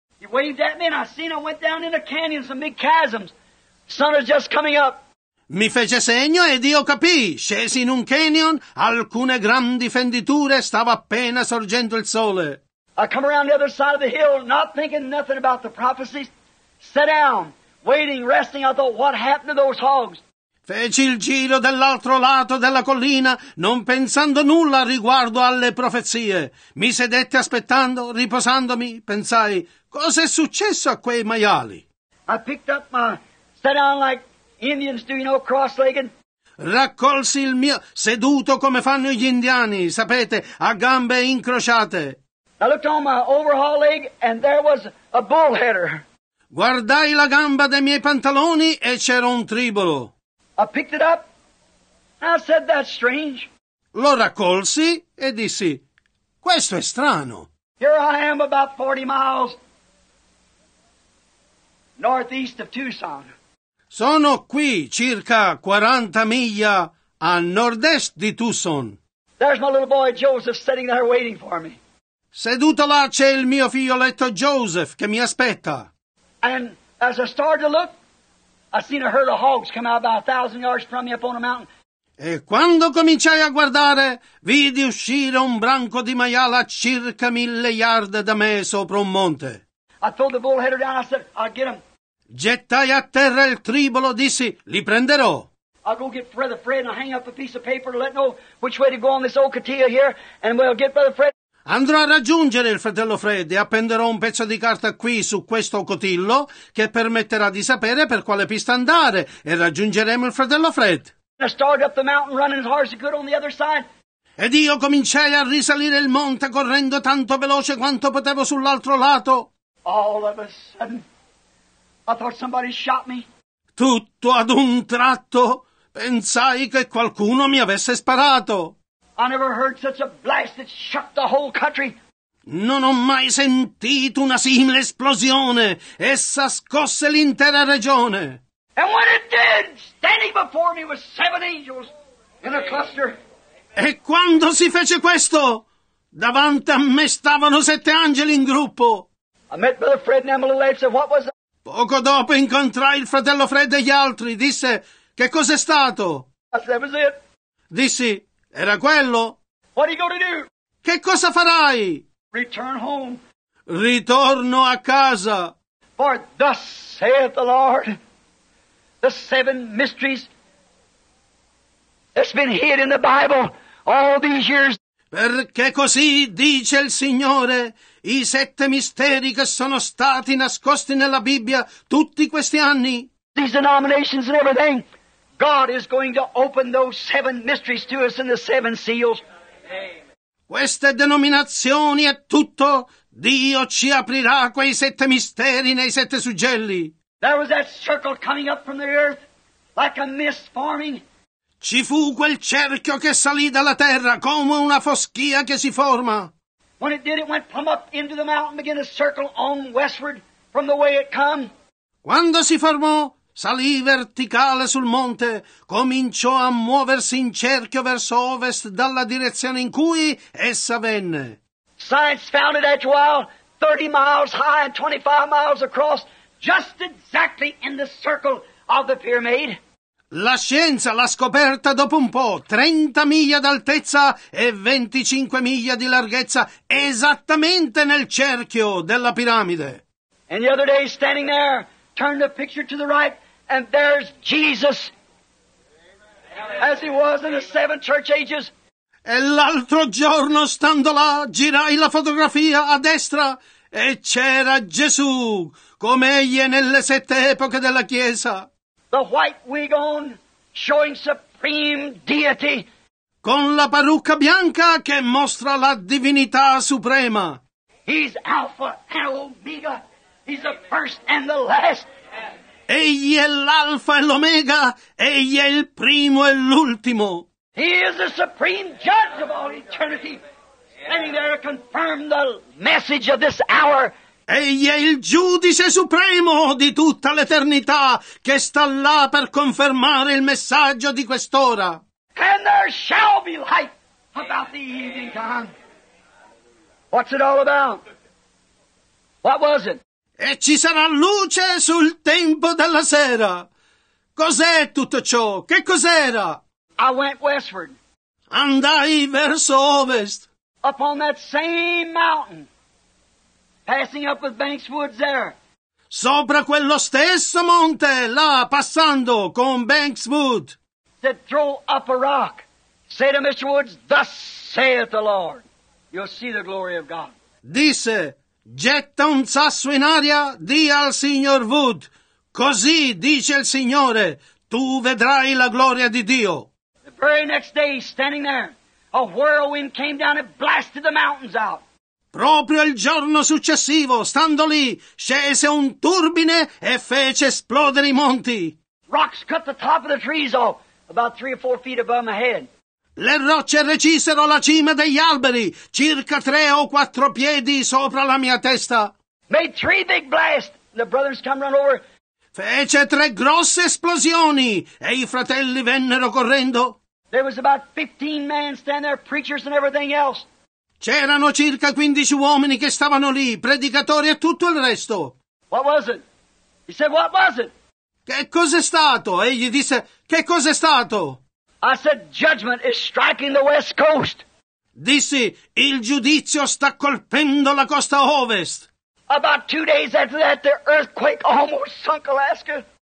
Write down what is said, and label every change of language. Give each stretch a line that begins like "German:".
English: He waved at me and I seen I went down in a canyon, some big chasms. Sun is just coming up.
Italian: Mi fece segno ed io capì. Scesi in un canyon, alcune grandi fenditure, stava appena sorgendo il sole.
English: I come around the other side of the hill, not thinking nothing about the prophecies. Sat down, waiting, resting. I thought, what happened to those hogs?
Italian: Feci il giro dell'altro lato della collina, non pensando nulla riguardo alle profezie. Mi sedetti aspettando, riposandomi, pensai, cos'è successo a quei maiali?
English: I picked up my, sat down like Indians do, you know, cross-legged.
Italian: Raccolsi il mio, seduto come fanno gli indiani, sapete, a gambe incrociate.
English: I looked on my overhaul leg and there was a bullheader.
Italian: Guardai la gamba dei miei pantaloni e c'era un tribolo.
English: I picked it up. I said, that's strange.
Italian: Lo raccolsi e dissi, questo è strano.
English: Here I am about 40 miles northeast of Tucson.
Italian: Sono qui circa 40 miglia a nord-est di Tucson.
English: There's my little boy Joseph sitting there waiting for me.
Italian: Seduto là c'è il mio figlioletto Joseph che mi aspetta.
English: And as I started to look, I seen a herd of hogs come out about 1,000 yards from me up on a mountain.
Italian: E quando cominciai a guardare, vidi uscire un branco di maiala a circa 1,000 yard da me sopra un monte.
English: I threw the bullheader down, I said, I'll get him.
Italian: Gettai a terra il tribolo, dissi, li prenderò.
English: I'll go get Brother Fred and I'll hang up a piece of paper to let know which way to go on this old cotilla here, and we'll get Brother Fred.
Italian: Andrò a raggiungere il fratello Fred e appenderò un pezzo di carta qui su questo cotillo che permetterà di sapere per quale pista andare e raggiungeremo il fratello Fred.
English: I started up the mountain running as hard as I could on the other side.
Italian: Ed io cominciai a risalire il monte correndo tanto veloce quanto potevo sull'altro lato.
English: All of a sudden, I thought somebody shot me.
Italian: Tutto ad un tratto, pensai che qualcuno mi avesse sparato.
English: I never heard such a blast that shook the whole country.
Italian: Non ho mai sentito una simile esplosione. Essa scosse l'intera regione.
English: And when it did, standing before me was 7 angels in a cluster.
Italian: E quando si fece questo, davanti a me stavano 7 angeli in gruppo.
English: I met Brother Fred and Emily Lev, said, what was that?
Italian: Poco dopo incontrai il fratello Fred e gli altri, disse, che cos'è stato?
English: I said, was it?
Italian: Dissi, era quello.
English: What are you going to do?
Italian: Che cosa farai?
English: Return home.
Italian: Ritorno a casa.
English: For thus saith the Lord, the 7 mysteries that's been hid in the Bible all these years.
Italian: Perché così dice il Signore, i 7 misteri che sono stati nascosti nella Bibbia tutti questi anni.
English: These denominations and everything. God is going to open those 7 mysteries to us in the 7 seals.
Italian: Queste denominazioni e tutto, Dio ci aprirà quei 7 misteri nei 7 suggelli.
English: There was that circle coming up from the earth like a mist forming.
Italian: Ci fu quel cerchio che salì dalla terra come una foschia che si forma.
English: When it did, it went from up into the mountain, began to circle on westward from the way it come.
Italian: Quando si formò, salì verticale sul monte, cominciò a muoversi in cerchio verso ovest dalla direzione in cui essa venne.
English: Science found it after a while, 30 miles high and 25 miles across, just exactly in the circle of the pyramid.
Italian: La scienza l'ha scoperta dopo un po', 30 miglia d'altezza e 25 miglia di larghezza, esattamente nel cerchio della piramide.
English: And the other day, standing there, turned the picture to the right, and there's Jesus, as he was in the 7 church ages.
Italian: E l'altro giorno, stando là, girai la fotografia a destra, e c'era Gesù, come egli è nelle 7 epoche della Chiesa.
English: The white wig on, showing supreme deity.
Italian: Con la parrucca bianca che mostra la divinità suprema.
English: He's Alpha and Omega. He's the first and the last.
Italian: Egli è l'Alfa e l'Omega, egli è il primo e l'ultimo.
English: He is the supreme judge of all eternity. Standing there to confirm the message of this hour.
Italian: Egli è il giudice supremo di tutta l'eternità che sta là per confermare il messaggio di quest'ora.
English: And there shall be light about the evening time. What's it all about? What was it?
Italian: E ci sarà luce sul tempo della sera. Cos'è tutto ciò? Che cos'era?
English: I went westward.
Italian: Andai verso ovest.
English: Upon that same mountain. Passing up with Banks Woods there.
Italian: Sopra quello stesso monte, là, passando con Banks Wood.
English: Said, throw up a rock. Say to Mr. Woods, thus saith the Lord. You'll see the glory of God.
Italian: Disse, getta un sasso in aria, di al signor Wood. Così dice il Signore, tu vedrai la gloria di Dio.
English: The very next day, standing there, a whirlwind came down and blasted the mountains out.
Italian: Proprio il giorno successivo, stando lì, scese un turbine e fece esplodere i monti.
English: Rocks cut the top of the trees off, about 3 or 4 feet above my head.
Italian: Le rocce recisero la cima degli alberi, circa 3 o 4 piedi sopra la mia testa.
English: Made 3 big blasts, the brothers come run over.
Italian: Fece 3 grosse esplosioni, e i fratelli vennero correndo.
English: There was about 15 men standing there, preachers and everything else.
Italian: C'erano circa 15 uomini che stavano lì, predicatori e tutto il resto.
English: What was it? He said, what was it?
Italian: Che cos'è stato? Egli disse, che cos'è stato?
English: I said, judgment is striking the west coast.
Italian: Dissi, il giudizio sta colpendo la costa ovest.
English: About 2 days after that, the earthquake almost sunk Alaska.